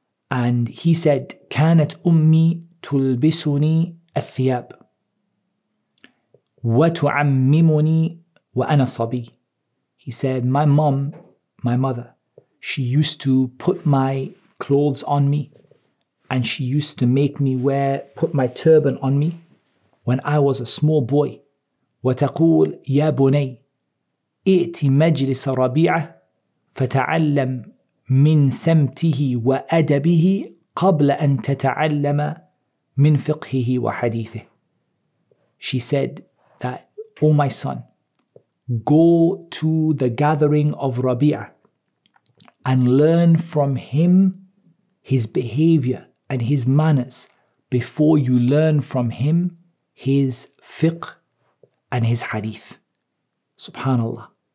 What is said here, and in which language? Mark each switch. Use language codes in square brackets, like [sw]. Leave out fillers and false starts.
[en] And he said, [ar] كانت أمي تلبسني الثياب وتعممني وأنا صبي. [en] He said, my mom, my mother, she used to put my clothes on me and she used to make me wear, put my turban on me when I was a small boy. [ar] وتقول يا بني ائتي مجلس ربيعة فتعلم من سمته وأدبه قبل أن تتعلم من فقهه وحديثه. [en] She said that, oh my son, go to the gathering of Rabi'ah and learn from him his behavior and his manners before you learn from him his fiqh and his hadith. Subhanallah.